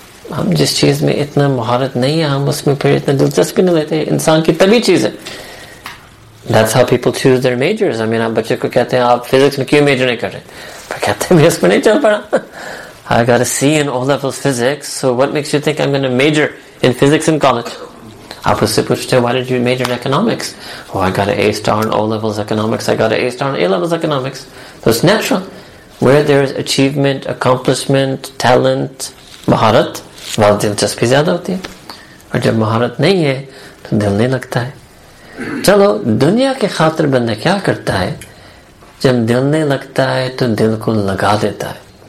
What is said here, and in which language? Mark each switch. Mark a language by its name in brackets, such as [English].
[Urdu] ہم جس چیز میں اتنا مہارت نہیں ہے ہم اس میں پھر اتنا دلچسپی نہیں لیتے انسان کی طبیعی چیز ہے [English] That's how people choose their majors. I mean, [Urdu] آپ بچے کو کہتے ہیں آپ فزکس میں کیوں میجر نہیں کر رہے پھر کہتے ہیں میں اس میں نہیں چل پڑا [English] I got a C in all levels physics, so what makes you think I'm going to major in physics in college? [Urdu] آپ اس سے پوچھتے ہیں, [English] why did you major in economics? Oh, I got an A star in all levels economics. I got an A star in A levels economics. So it's natural. Where there is achievement, accomplishment, talent, [Urdu] مہارت, وہاں دلچسپی زیادہ ہوتی ہے. اور جب مہارت نہیں ہے, تو دل نہیں لگتا ہے. چلو, دنیا کے خاطر بندہ کیا کرتا ہے؟ جب دل نہیں لگتا ہے, تو دل کو لگا دیتا ہے.